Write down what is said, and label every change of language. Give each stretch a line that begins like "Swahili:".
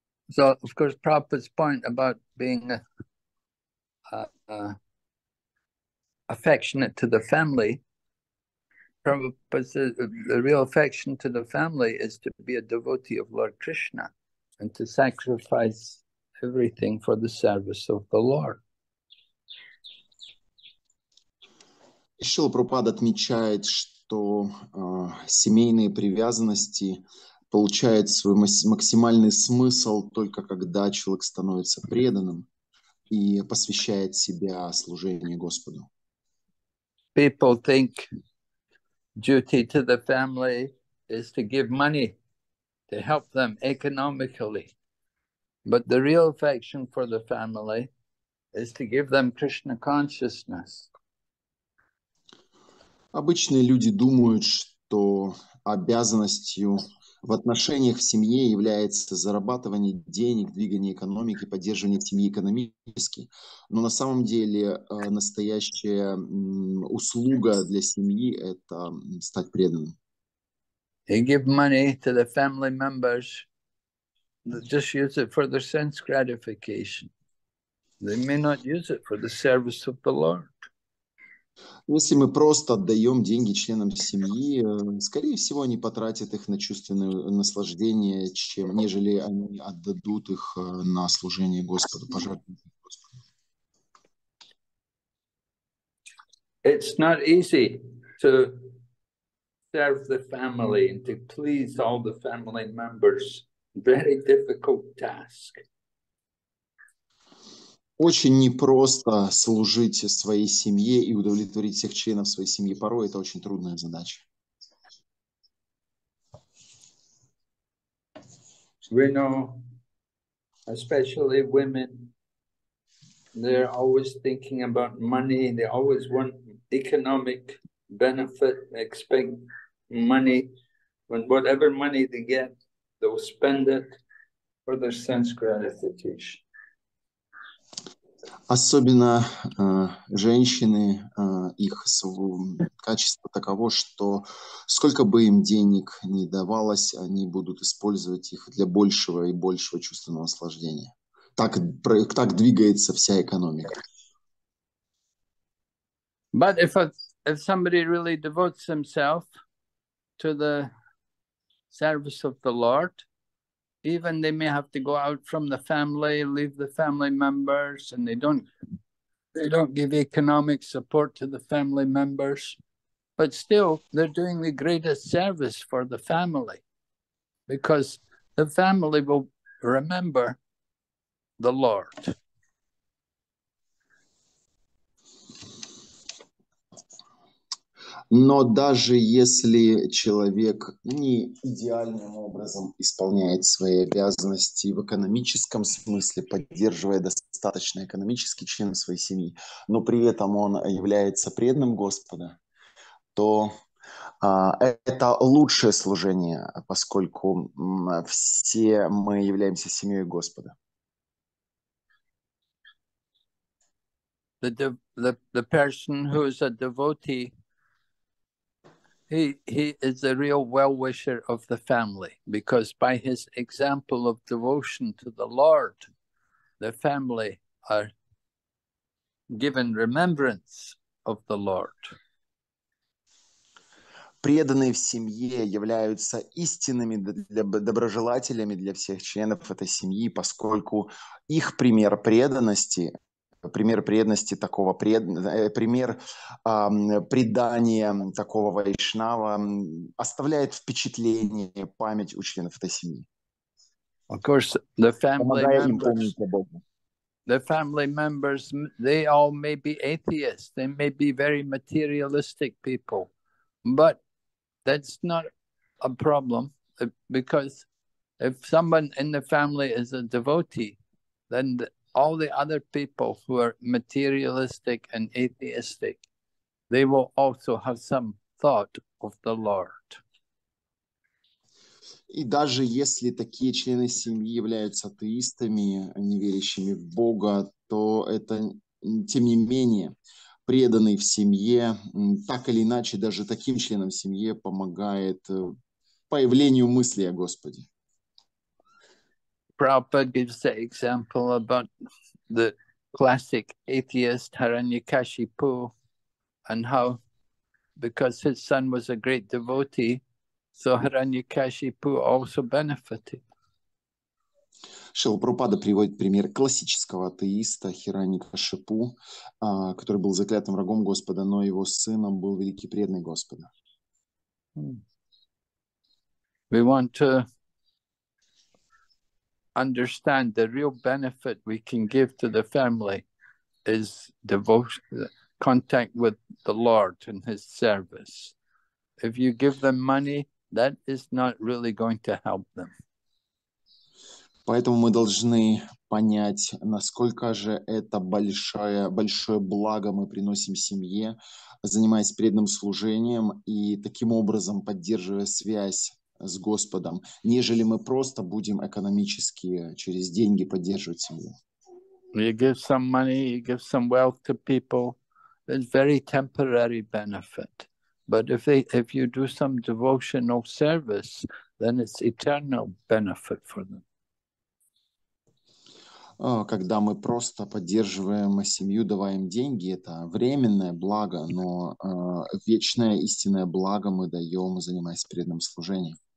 English: So, of course, Prabhupada's point about being affectionate to the family, Prabhupada's, the real affection to the family is to be a devotee of Lord Krishna and to sacrifice everything for the service of the Lord.
Russian: Шрила Прабхупада отмечает, что семейные привязанности получает свой максимальный смысл только когда человек становится преданным и посвящает себя служению Господу.
English: People think duty to the family is to give money to help them economically. But the real affection for the family is to give them Krishna consciousness.
Russian: Обычные люди думают, что обязанностью в отношениях в семье является зарабатывание денег, двигание экономики, поддерживание семьи экономически. Но на самом деле настоящая услуга для семьи – это стать преданным.
English: They give money to the family members, just use it for their sense gratification. They may not use it for the service of the Lord.
Russian: Если мы просто отдаем деньги членам семьи, скорее всего, они потратят их на чувственное наслаждение, чем нежели они отдадут их на служение Господу, пожертвование Господу.
English: It's not easy to serve the family and to please all the family members. Very difficult task.
Russian: Очень непросто служить своей семье и удовлетворить всех членов своей семьи. Порой это очень трудная задача.
English: We know, especially women, they're always thinking about money, they always want economic benefit, expect money, when whatever money they get, they'll spend it for their sense gratification.
Russian: Особенно женщины, их качество таково, что сколько бы им денег ни давалось, они будут использовать их для большего и большего чувственного наслаждения. Так двигается вся экономика.
English: But if somebody really devotes himself to the service of the Lord, even they may have to go out from the family, leave the family members, and they don't give economic support to the family members, but still they're doing the greatest service for the family, because the family will remember the Lord.
Russian: Но даже если человек не идеальным образом исполняет свои обязанности в экономическом смысле, поддерживая достаточно экономический член своей семьи, но при этом он является преданным Господа, то это лучшее служение, поскольку все мы являемся семьей Господа.
English: The person who is a devotee, he is the real well-wisher of the family, because by his example of devotion to the Lord, the family are given remembrance of the Lord.
Russian: Преданные в семье являются истинными доброжелателями для всех членов этой семьи, поскольку их пример преданности. Пример преданности такого, пример предания такого вайшнава оставляет впечатление, память у членов этой семьи.
English: Of course, the family
Russian: помогая им
English: members,
Russian: помнить о Боге.
English: The family members, they all may be atheists, they may be very materialistic people, but that's not a problem, because if someone in the family is a devotee, then all the other people who are materialistic and atheistic, they will also have some thought of the Lord.
Russian: И даже если такие члены семьи являются атеистами, не верящими в Бога, то это, тем не менее, преданный в семье, так или иначе, даже таким членам семьи помогает появлению мысли о Господе.
English: Prabhupada gives the example about the classic atheist Hiranyakashipu, and how, because his son was a great devotee, so Hiranyakashipu also benefited.
Russian: Шрила Прабхупада приводит пример классического атеиста Хираньякашипу, который был заклятым врагом Господа, но его сыном был великий преданный Господа.
English: We want to understand the real benefit we can give to the family is devotion, contact with the Lord and his service. If you give them money, that is not really going to help them.
Russian: Поэтому мы должны понять, насколько же это большое благо мы приносим семье, занимаясь преданным служением и таким образом поддерживая связь с Господом, нежели мы просто будем экономически через деньги поддерживать семью.
English: You give some money, you give some wealth to people. It's very temporary benefit. But if you do some devotional service, then it's eternal benefit for them.
Russian: когда мы просто поддерживаем семью, даваем деньги, это временное благо, но вечное истинное благо мы даем, занимаясь преданным служением.